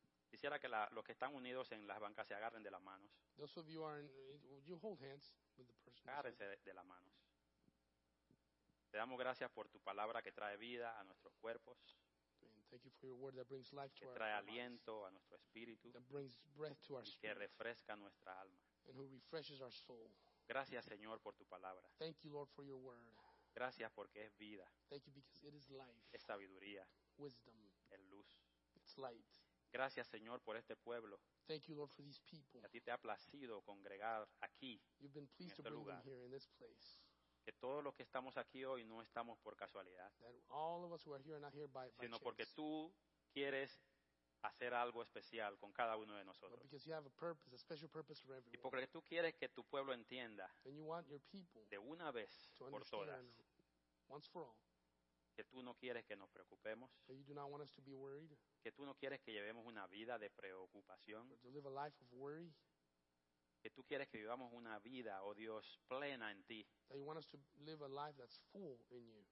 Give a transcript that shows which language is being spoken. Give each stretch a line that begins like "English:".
Spanish: Quisiera que los que están unidos en las bancas se agarren de las manos.
English: Those of you are in, would you hold hands with the person?
Spanish: Agárrense de las manos. Te damos gracias por tu palabra que trae vida a nuestros cuerpos.
English: Thank you for your word that brings life to
Spanish: que trae aliento a nuestro espíritu.
English: That brings breath to our
Spanish: y que refresca nuestra alma.
English: And who refreshes our soul.
Spanish: Gracias, Señor, por tu palabra.
English: Thank you, Lord, for your word.
Spanish: Gracias porque es vida.
English: Thank you because it is life.
Spanish: Es sabiduría.
English: Wisdom.
Spanish: Es luz.
English: It's light.
Spanish: Gracias, Señor, por este pueblo.
English: Thank you, Lord, for these people.
Spanish: A ti te ha placido congregar aquí.
English: You've been pleased to bring them here in this place.
Spanish: Que todos los que estamos aquí hoy no estamos por casualidad.
English: That all of us who are here are not here by
Spanish: chance. Sino porque tú quieres hacer algo especial con cada uno de nosotros.
English: But because you have a purpose, a special purpose for everyone.
Spanish: Y porque tú quieres que tu pueblo entienda.
English: And you want your people
Spanish: de una vez
English: to understand
Spanish: por todas.
English: Once for all.
Spanish: Que tú no quieres que nos preocupemos.
English: That you do not want us to be worried.
Spanish: Que tú no quieres que llevemos una vida de preocupación.
English: To live a life of worry.
Spanish: Que tú quieres que vivamos una vida, oh Dios, plena en ti.
English: That you want us to live a life that's full in you.